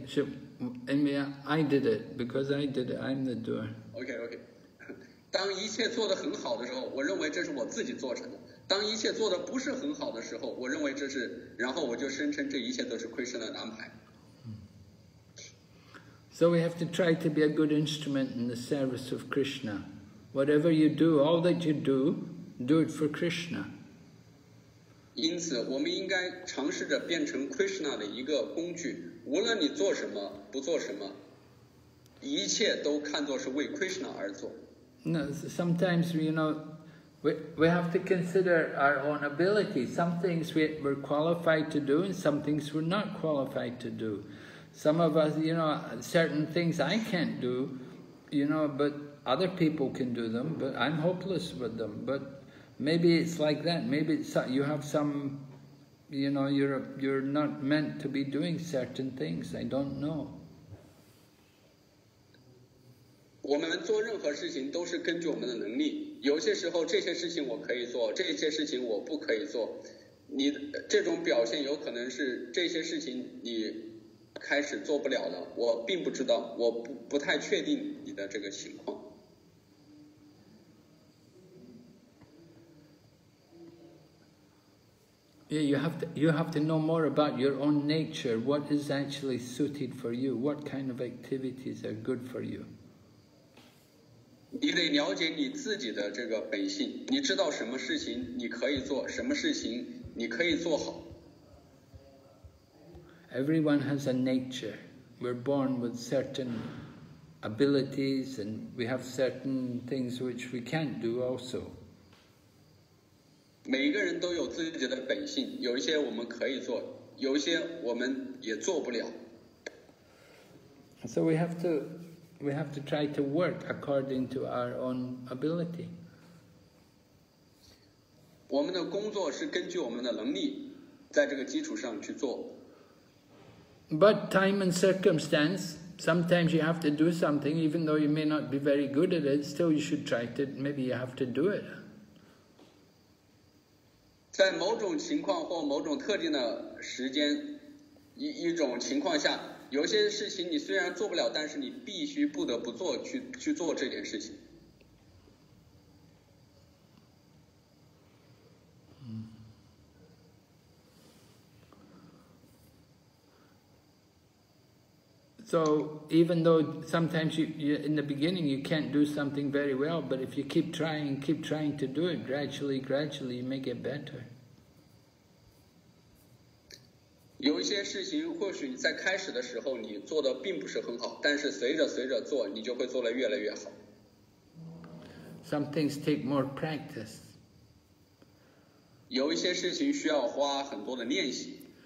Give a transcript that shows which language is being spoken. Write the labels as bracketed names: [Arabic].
[English] She, and me, I did it because I did it. I'm the doer. Okay. [Chinese] 当一切做得很好的时候，我认为这是我自己做成的。当一切做得不是很好的时候，我认为这是，然后我就声称这一切都是 Krishna 的安排。 [English] So we have to try to be a good instrument in the service of Krishna. Whatever you do, all that you do, do it for Krishna. [Chinese] 因此，我们应该尝试着变成 Krishna 的一个工具。无论你做什么，不做什么，一切都看作是为 Krishna 而做。 [English] No, sometimes you know. We have to consider our own ability. Some things we're qualified to do and some things we're not qualified to do. Some of us, you know, certain things I can't do, you know, but other people can do them, but I'm hopeless with them. But maybe it's like that. Maybe it's, you have some you know, you're not meant to be doing certain things. I don't know. [Chinese] 我们做任何事情都是根据我们的能力。有些时候这些事情我可以做，这些事情我不可以做。你这种表现有可能是这些事情你开始做不了了，我并不知道，我不太确定你的这个情况。 [English] Yeah, you have to know more about your own nature. What is actually suited for you? What kind of activities are good for you? [Chinese] 你得了解你自己的这个本性，你知道什么事情你可以做，什么事情你可以做好。 [English] Everyone has a nature. We're born with certain abilities, and we have certain things which we can't do also. [Chinese] 每一个人都有自己的本性，有一些我们可以做，有一些我们也做不了。 [English] So we have to try to work according to our own ability. [Chinese] 我们的工作是根据我们的能力，在这个基础上去做。 [English] But time and circumstance, sometimes you have to do something, even though you may not be very good at it, still you should try to, maybe you have to do it. [Chinese] 在某种情况或某种特定的时间 一种情况下，有些事情你虽然做不了，但是你必须不得不做 去做这件事情。 [English] So even though sometimes you in the beginning you can't do something very well, but if you keep trying to do it gradually you may get better. [Chinese] 有一些事情或许你在开始的时候你做的并不是很好，但是随着做你就会做得越来越好。 [English] Some things take more practice. [Chinese] 有一些事情需要花很多的练习。